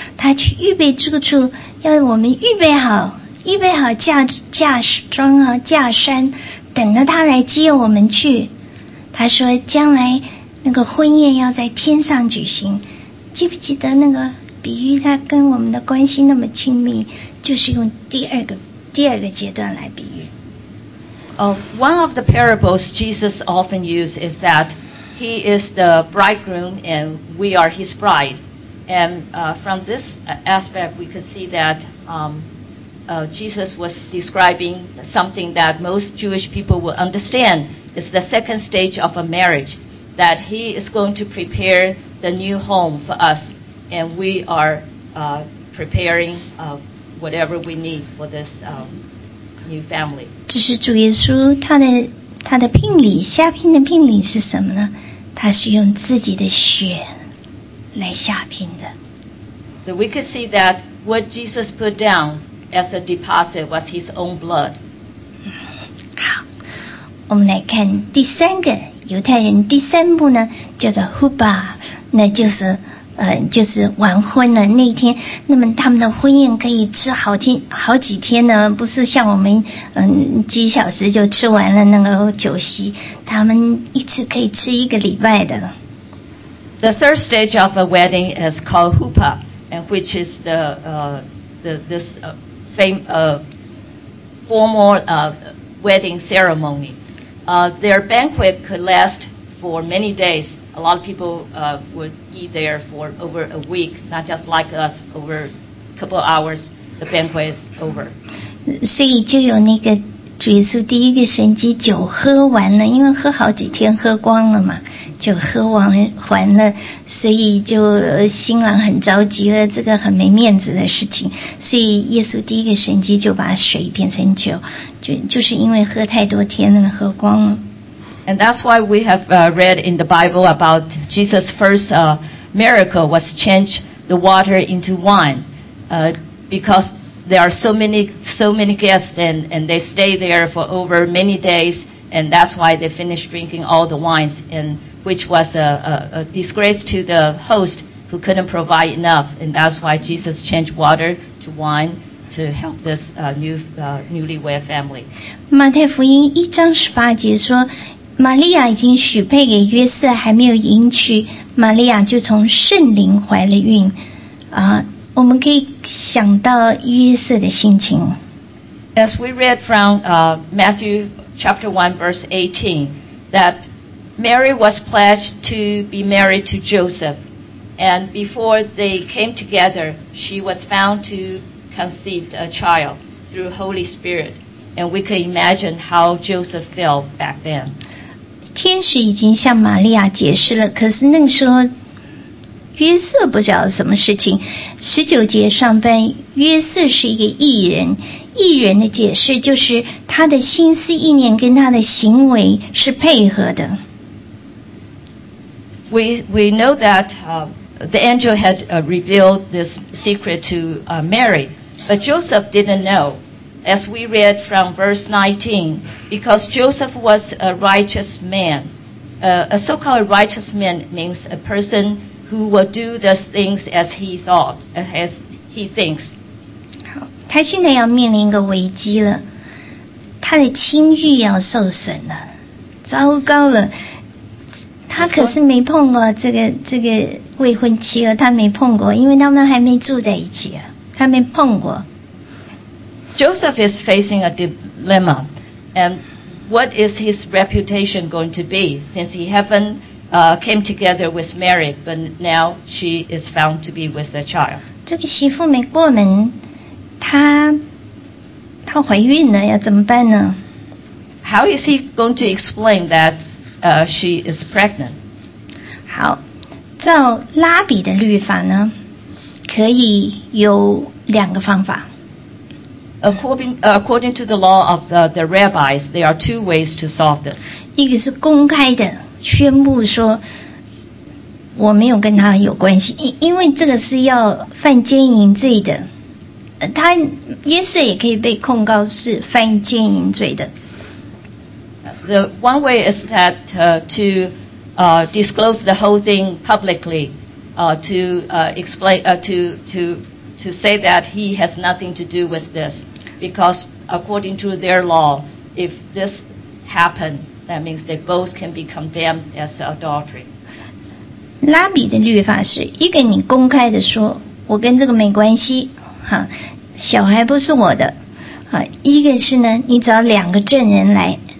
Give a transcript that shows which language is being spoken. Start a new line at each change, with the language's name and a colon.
Chinese: 他去预备住处，要我们预备好嫁妆啊，嫁衫，等着他来接我们去。他说将来那个婚宴要在天上举行，记不记得那个比喻？他跟我们的关系那么亲密，就是用第二个阶段来比喻。
English: One of the parables Jesus often used is that. He is the bridegroom, and we are his bride. And from this aspect, we could see that Jesus was describing something that most Jewish people will understand. It's the second stage of a marriage, that he is going to prepare the new home for us, and we are preparing whatever we need for this new family.
Chinese: 这是主耶稣他的聘礼，下聘的聘礼是什么呢？他是用自己的血来下聘的。
English: So we could see that what Jesus put down as a deposit was his own blood.
Chinese: 好，我们来看第三个犹太人第三步呢，叫做 Huba， 那就是完婚了那天。那么他们的婚宴可以吃好几天呢，不是像我们几小时就吃完了那个酒席，他们一次可以吃一个礼拜的。
English: The third stage of a wedding is called hupa, and which is the formal wedding ceremony. Their banquet could last for many days. A lot of people would eat there for over a week, not just like us, over a couple of hours, the banquet is over.
Chinese: 所以就有那个主耶稣第一个神迹，酒喝完了，因为喝好几天喝光了嘛，酒喝完还了，所以就新郎很着急了，这个很没面子的事情，所以耶稣第一个神迹就把水变成酒，就是因为喝太多天了，喝光了。
English: And that's why we have read in the Bible about Jesus' first miracle was change the water into wine, because there are so many guests and they stay there for over many days, and that's why they finished drinking all the wines, and which was a disgrace to the host who couldn't provide enough, and that's why Jesus changed water to wine. To help this newlywed family.
Chinese: 马太福音一章十八节说，玛利亚已经许配给约瑟，还没有迎娶。玛利亚就从圣灵怀了孕啊，我们可以想到约瑟的心情。
English: As we read from Matthew chapter 1 verse 18, that Mary was pledged to be married to Joseph, and before they came together, she was found to conceive a child through Holy Spirit. And we can imagine how Joseph felt back then.
Chinese: 天使已经向玛利亚解释了，可是那个时候约瑟不知道什么事情。十九节上半，约瑟是一个义人。义人的解释就是他的心思意念跟他的行为是配合的。
English: We know that the angel had revealed this secret to Mary, but Joseph didn't know, as we read from verse 19, because Joseph was a righteous man. A so-called righteous man means a person who will do the things as he thought, as he thinks.
Chinese: 他现在要面临一个危机了，他的清誉要受损了，糟糕了。他可是没碰过这个未婚妻了，他没碰过，因为他们还没住在一起啊，他没碰过。
English: Joseph is facing a dilemma, and what is his reputation going to be since he haven't came together with Mary, but now she is found to be with a child?
Chinese: 这个媳妇没过门，她怀孕了，要怎么办呢
English: ？How is he going to explain that? She is pregnant.
Chinese: 好，照拉比的律法呢，可以有两个方法。
English: According to the law of the rabbis, there are two ways to solve this.
Chinese: 一个是公开的宣布说我没有跟他有关系，因为这个是要犯奸淫罪的。他约瑟也可以被控告是犯奸淫罪的。
English: The one way is that disclose the whole thing publicly, to say that he has nothing to do with this, because according to their law, if this happened, that means they both can be condemned as adultery.
Chinese: 拉比的律法是一个你公开的说我跟这个没关系，哈，小孩不是我的，啊，一个是呢，你找两个证人来。